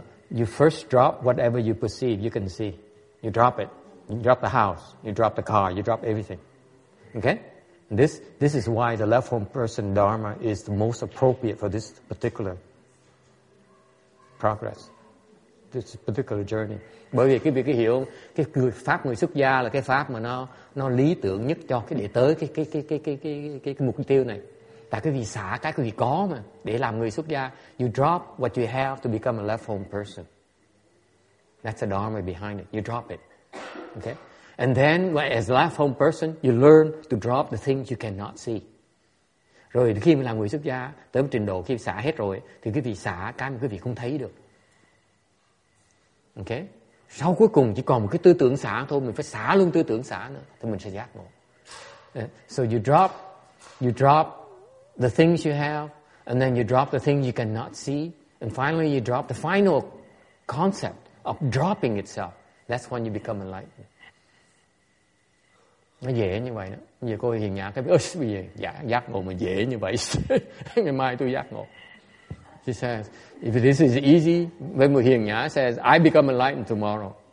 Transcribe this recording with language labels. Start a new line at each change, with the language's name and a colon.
English: You first drop whatever you perceive, you can see. You drop it. You drop the house. You drop the car. You drop everything. Okay? This is why the left home person dharma is the most appropriate for this particular progress, this particular journey.
Vietnamese: Bởi vì cái việc cái hiểu cái pháp người xuất gia là cái pháp mà nó lý tưởng nhất cho cái để tới cái mục tiêu này. Tại cái vì xả cái gì có mà để làm người xuất gia,
English: you drop what you have to become a left home person. That's the dharma behind it. You drop it. Okay? And then, as a lifelong person, you learn to drop the things you cannot see.
Vietnamese: Rồi khi mình là người xuất gia, tới một trình độ khi xả hết rồi, thì quý vị xả cái mà quý vị không thấy được. Ok? Sau cuối cùng chỉ còn một cái tư tưởng xả thôi, mình phải xả luôn tư tưởng xả nữa, thì mình sẽ giác ngộ.
English: So you drop the things you have, and then you drop the things you cannot see, and finally you drop the final concept of dropping itself. That's when you become enlightened.
Vietnamese: Nó dễ như vậy đó. Bây giờ cô hiền nhã cái ơ bây giờ giác ngộ mà dễ như vậy. Ngày mai tôi giác ngộ.
English: She says, if this is easy, when we hiền nhã says, I become enlightened tomorrow.